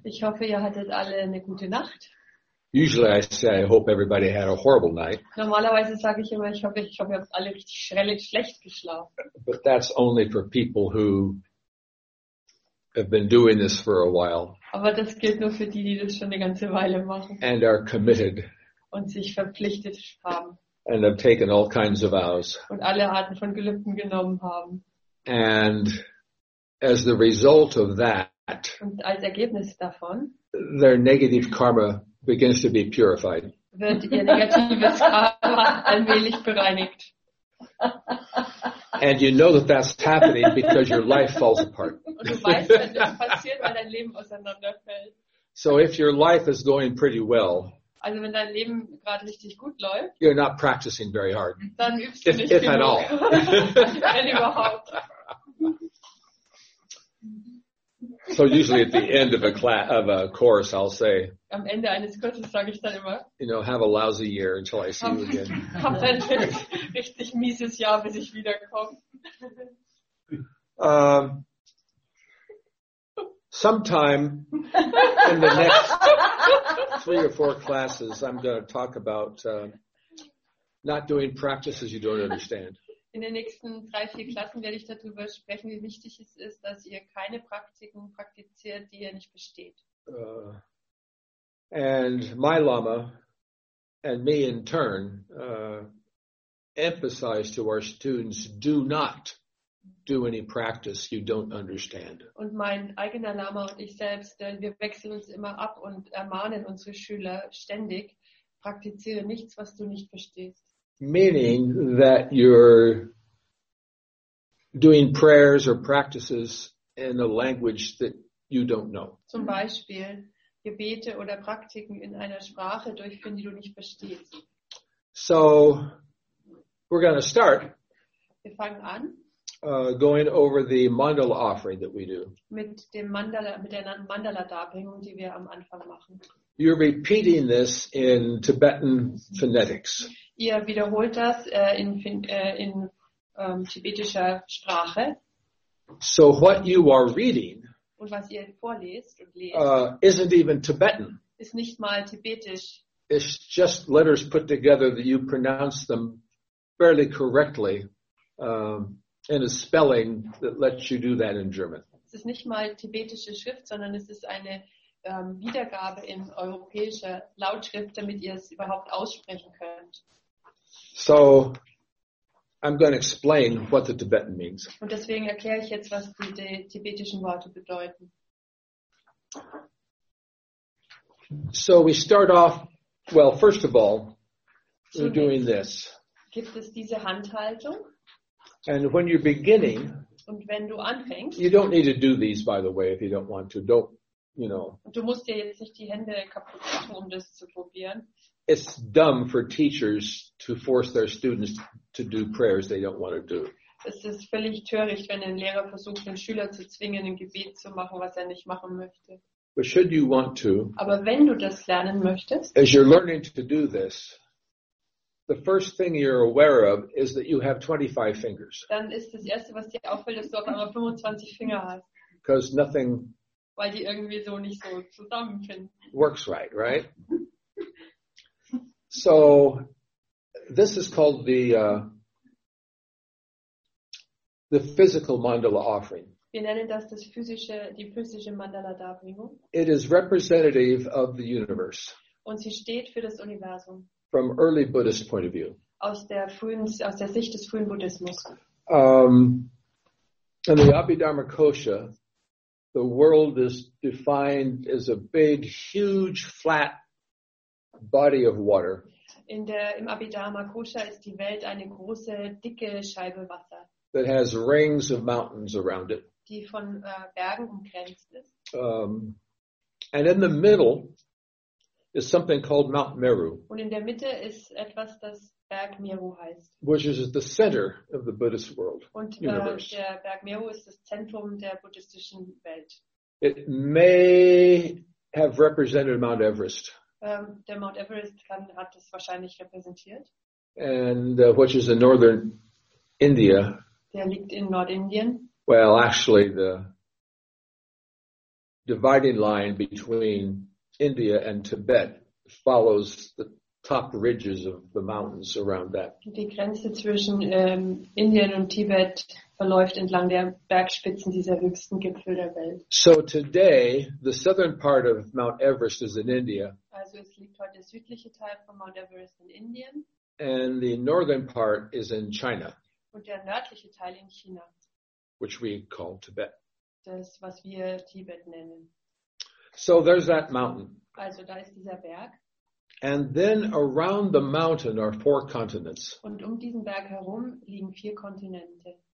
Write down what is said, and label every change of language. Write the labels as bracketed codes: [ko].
[de] Ich hoffe, ihr hattet alle eine gute Nacht. [en] Usually I say, I hope everybody had a horrible night. [de] Normalerweise sage ich immer, ich hoffe, ihr habt alle richtig schlecht geschlafen. [en] But that's only for people who have been doing this for a while. [de] Aber das gilt nur für die, die das schon eine ganze Weile machen. [en] And are committed. [de] Und sich verpflichtet haben. [en] And have taken all kinds of vows. [de] Und alle Arten von Gelübden genommen haben. [en] And as the result of that, [de] und als Ergebnis davon, [en] their negative karma begins to be purified. [de] Wird ihr negatives Karma allmählich bereinigt. [en] And you know that that's happening because your life falls apart. [de] Und du weißt, dass das passiert, weil dein Leben auseinanderfällt. [en] So if your life is going pretty well, [de] also wenn dein Leben gerade richtig gut läuft, [en] you're not practicing very hard. [de] Dann übst du nicht genug. [en] If at all. [de] Wenn überhaupt. [en] So usually at the end of a class, of a course, I'll say, [de] am Ende eines Kurses sage ich dann immer, [en] you know, have a lousy year until I see you again. [de] Hab ein richtig mieses Jahr, bis ich wiederkomme. [en] Sometime in the next 3 or 4 classes, I'm going to talk about not doing practices you don't understand. [de] In den nächsten 3, 4 Klassen werde ich darüber sprechen, wie wichtig es ist, dass ihr keine Praktiken praktiziert, die ihr nicht besteht. [en] And my Lama and me in turn emphasize to our students, do not do any practice you don't understand. [de] Und mein eigener Lama und ich selbst, wir wechseln uns immer ab und ermahnen unsere Schüler ständig, praktiziere nichts, was du nicht verstehst. [en] Meaning that you're doing prayers or practices in a language that you don't know. [de] Zum Beispiel Gebete oder Praktiken in einer Sprache durchführen, die du nicht verstehst. [en] So, we're going to start. [de] Wir fangen an. [en] Going over the mandala offering that we do. [de] Mit der Mandala Darbringung, die wir am Anfang machen. [en] You're repeating this in Tibetan phonetics. [de] Ihr wiederholt das in tibetischer Sprache. [en] So what you are reading, [de] und was ihr vorlest und lest, [en] isn't even Tibetan. [de] Ist nicht mal tibetisch. [en] It's just letters put together that you pronounce them fairly correctly in a spelling that lets you do that in German. [de] Es ist nicht mal tibetische Schrift, sondern es ist eine Wiedergabe in europäischer Lautschrift, damit ihr es überhaupt aussprechen könnt. [en] So, I'm going to explain what the Tibetan means. [de] Und deswegen erkläre ich jetzt, was die tibetischen Worte bedeuten. [en] So, we start off, well, first of all, we're doing this. [de] Gibt es diese Handhaltung? [en] And when you're beginning, [de] Und wenn du anfängst, [en] you don't need to do these, by the way, if you don't want to. Don't, you know. [de] Du musst dir jetzt nicht die Hände kaputt machen, um das zu probieren. [en] It's dumb for teachers to force their students to do prayers they don't want to do. [de] Es ist völlig töricht, wenn ein Lehrer versucht, einen Schüler zu zwingen, ein Gebet zu machen, was er nicht machen möchte. [en] But should you want to, [de] aber wenn du das lernen möchtest, [en] as you're learning to do this, the first thing you're aware of is that you have 25 fingers. [de] Dann ist das erste, was dir auffällt, dass du auf einmal 25 Finger hast. [en] Because nothing, [de] weil die irgendwie so nicht so zusammenfinden. [en] Works right, right? So, this is called the physical mandala offering. [de] Wir nennen das die physische Mandala Darbringung. [en] It is representative of the universe. [de] Und sie steht für das Universum. [en] From early Buddhist point of view. [de] Aus der Sicht des frühen Buddhismus. [en] In the Abhidharma Kosha, the world is defined as a big, huge, flat body of water. [de] Im Abhidharma Kosha ist die Welt eine große, dicke Scheibe Wasser. [en] That has rings of mountains around it. [de] Die von Bergen umgrenzt ist. [en] And in the middle is something called Mount Meru. [de] Und in der Mitte ist etwas, das Berg Meru heißt. [en] Which is the center of the Buddhist world. [de] Und der Berg Meru ist das Zentrum der buddhistischen Welt. [en] It may have represented Mount Everest. [de] Der Mount Everest hat es wahrscheinlich repräsentiert. [en] And which is in northern India. [de] Der liegt in Nordindien. [en] Well, actually, the dividing line between India and Tibet follows the top ridges of the mountains around that. [de] Die Grenze zwischen Indien und Tibet verläuft entlang der Bergspitzen dieser höchsten Gipfel der Welt. [en] So today, the southern part of Mount Everest is in India. [de] Also es liegt heute der südliche Teil von Mount Everest in Indien. [en] And the northern part is in China. [de] Und der nördliche Teil in China. [en] Which we call Tibet. [de] Das, was wir Tibet nennen. [en] So there's that mountain. [de] Also da ist dieser Berg. [en] And then around the mountain are four continents. [de] Und um diesen Berg herum liegen vier Kontinente.